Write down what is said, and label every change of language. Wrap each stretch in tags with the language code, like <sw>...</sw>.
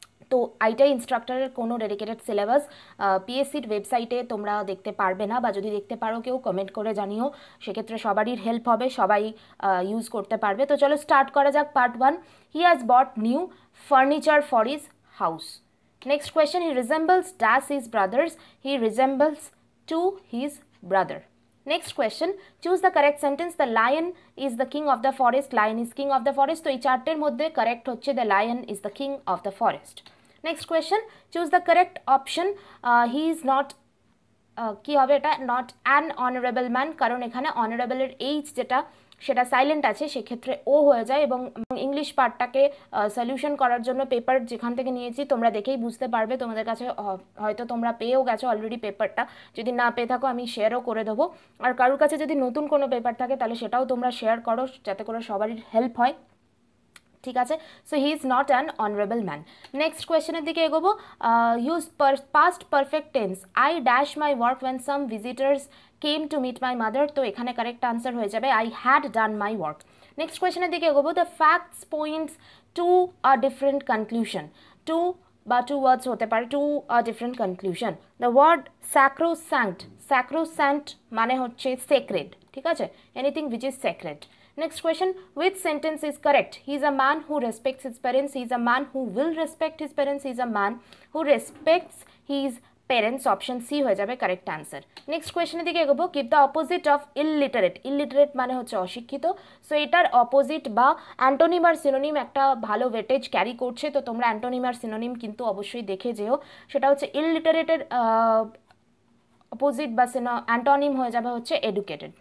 <bn>তো আইটিআই ইনস্ট্রাক্টরের কোনো dedicated syllabus পিএসসির ওয়েবসাইটে তোমরা দেখতে পারবে না, বা যদি দেখতে পারো কেউ কমেন্ট করে জানিও, সেক্ষেত্রে সবারই হেল্প হবে, সবাই ইউজ করতে পারবে। তো চলো স্টার্ট করা যাক part one.</bn> <en>He has bought new furniture for is house. Next question, he resembles does his brothers, he resembles to his brother. Next question, choose the correct sentence, the lion is the king of the forest, lion is king of the forest. So,</en> <bn>ee charter modde correct hocche</bn> <en>the lion is the king of the forest. Next question, choose the correct option, he is not,</en> <bn>ki hobe eta,</bn> <en>not an honorable man,</en> <bn>karon ekhane honorable er age jeta, সেটা silent আছে, সেক্ষেত্রে ও হয়ে যায়। এবং English পার্টটাকে solution করার জন্য paper যেখান থেকে নিয়েছি তোমরা দেখেই বুঝতে পারবে, তোমাদের কাছে হয়তো তোমরা পেয়েও গেছো অলরেডি পেপারটা, যদি না পেয়ে থাকো আমি শেয়ারও করে দেবো। আর কারোর কাছে যদি নতুন কোনো পেপার থাকে তাহলে সেটাও তোমরা শেয়ার করো, যাতে করে সবারই হেল্প হয়, ঠিক আছে?</bn> <en>So he is not an honourable man.</en> <bn>Next কোয়েশ্চেনের দিকে এগোবো।</bn> <en>Use past perfect tense, I dash my work when some visitors came to meet my mother.</en> <bn>তো এখানে কারেক্ট আনসার হয়ে যাবে</bn> <en>I had done my work.</en> <bn>Next question এর দিকে এগোবো।</bn> <en>the facts points to a different conclusion, to</en> <bn>বা two words হতে পারে,</bn> <en>To a different conclusion. The word sacrosanct, sacrosanct</en> <bn>মানে হচ্ছে সেক্রেড, ঠিক আছে?</bn> <en>Anything which is sacred. Next question, which sentence is correct? He is a man who respects his parents, he is a man who will respect his parents, he is a man who respects his parents.</en> <bn>Option C হয়ে যাবে correct answer. Next কোয়েশ্চনের দিকে এগোবো।</bn> <en>give the opposite of illiterate,</en> <bn>illiterate মানে হচ্ছে অশিক্ষিত। So এটার opposite বা antonym আর synonym একটা ভালো ওয়েটেজ ক্যারি করছে, তো তোমরা অ্যান্টোনিম আর সিনোনিম কিন্তু অবশ্যই দেখে যেও। সেটা হচ্ছে ইলিটারেটের অপোজিট বা অ্যান্টোনিম হয়ে যাবে হচ্ছে এডুকেটেড।</bn>